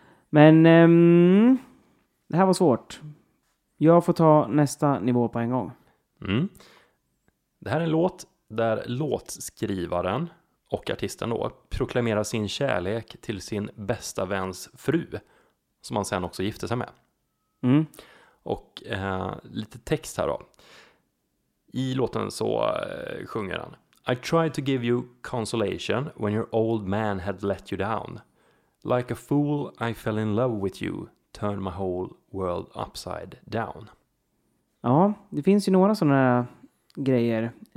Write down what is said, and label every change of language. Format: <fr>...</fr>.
<sv>Men det här var svårt. Jag får ta nästa nivå på en gång. Mm. Det här är en låt där låtskrivaren och artisten då proklamerar sin kärlek till sin bästa väns fru, som han sen också gifte sig med. Mm. Och lite text här då. I låten så sjunger han:</sv> <en>I tried to give you consolation when your old man had let you down. Like a fool I fell in love with you, turned my whole world upside down.</en> <sv>Ja, det finns ju några sådana här grejer.</sv>